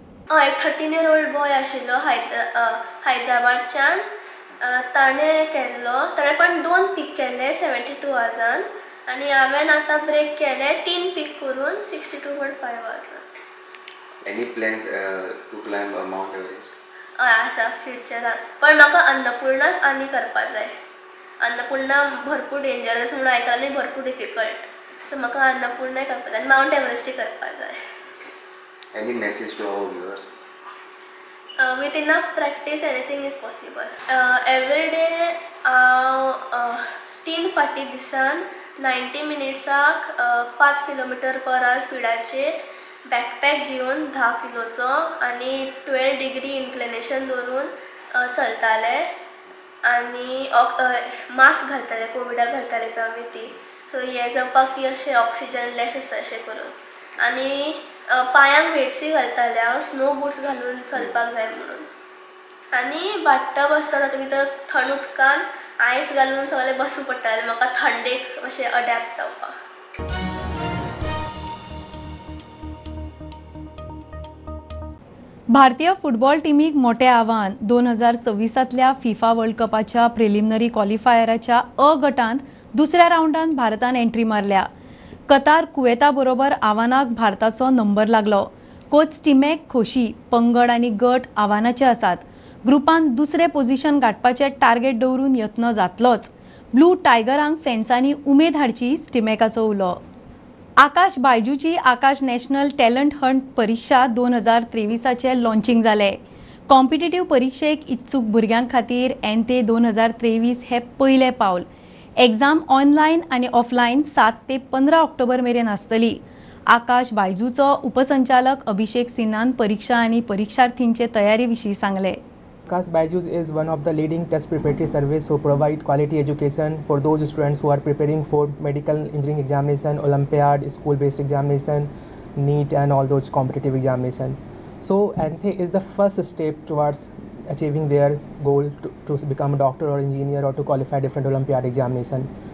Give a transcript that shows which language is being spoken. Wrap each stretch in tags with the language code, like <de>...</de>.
<kok>हांव एक 13-year-old boy आशिल्लो हैदराबादच्यान. ताणें केल्लो, ताणें पण 2 पीक केल्ले 72 hoursान आनी हांवें आतां ब्रेक केले 3 पीक करून 62.5 hoursान.</kok> <en>Any plans to climb Mount Everest?</en> <kok>हय आसा फ्युचरान, पण म्हाका अन्नपूर्णा आनी करपाक जाय. अन्नपूर्णा भरपूर डेंजरस म्हूण आयकला आनी भरपूर डिफिकल्ट. सो म्हाका अन्नपूर्णाय करपाक जाय आनी माउंट एव्हरेस्टूय करपाक जाय.</kok> <en>Any message to our viewers? With enough practice, anything is possible. Every day,</en> <kok>हांव 3 फावटी दिसान 90 मिनिट्साक 5 किलोमिटर परा स्पिडाचेर बॅकपॅक घेवन 10 किलोचो आनी 12 degree इन्क्लिनेशन दवरून चलताले आनी मास्क घालताले, कोविडाक घालताले पळय आमी ती. सो हे जावपाक की अशें ऑक्सिजन लेस आसा अशें करून आनी पांयांक वेट्सूय घालताले हांव, स्नो बूट्स घालून चलपाक जाय म्हणून. आनी बाटटब आसताना तुमी तर थंड उदकान आयस घालून सगळें बसूं पडटालें म्हाका थंडेक अशें अडॅप्ट जावपाक. भारतीय फुटबॉल टिमीक मोठे आव्हान. 2026 फिफा वर्ल्ड कपाच्या प्रिलिमिनरी क्वॉलिफायरच्या अ गटांत दुसऱ्या राऊंडात भारतान एंट्री मारल्या. कतार कुवेता बरोबर आव्हानाक भारताचो नंबर लागलो. कोच टिमेक खोशी, पंगड आनी गट आव्हानाचे आसात. ग्रुपान दुसरे पोझिशन गाठपाचे टार्गेट दवरून यत्न जातलोच. ब्लू टायगरांक फॅन्सांनी उमेद हाडची टिमेकाचो उलो. आकाश बायजूची आकाश नॅशनल टॅलंट हंट परिक्षा 2023 लॉन्चिंग जाले. कॉम्पिटिटिव्ह परिक्षेक इच्छूक भुरग्यां खातीर एनते 2023 हे पयले पाऊल. एग्जाम ऑनलाईन आणि ऑफलाईन 7 ते 15 ऑक्टोबर मेरेन असतली. आकाश बायजूचो उपसंचालक अभिषेक सिन्हान परीक्षा आणि परीक्षार्थींचे तयारीविषयी सांगले.</kok> <en>Akash Byju's is one of the leading test preparatory service who provide quality education for those students who are preparing for medical engineering examination, olympiad, school based examination, NEET and all those competitive examination. So ENTE is the first step towards achieving their goal to become a doctor or engineer or to qualify different olympiad examination.</en>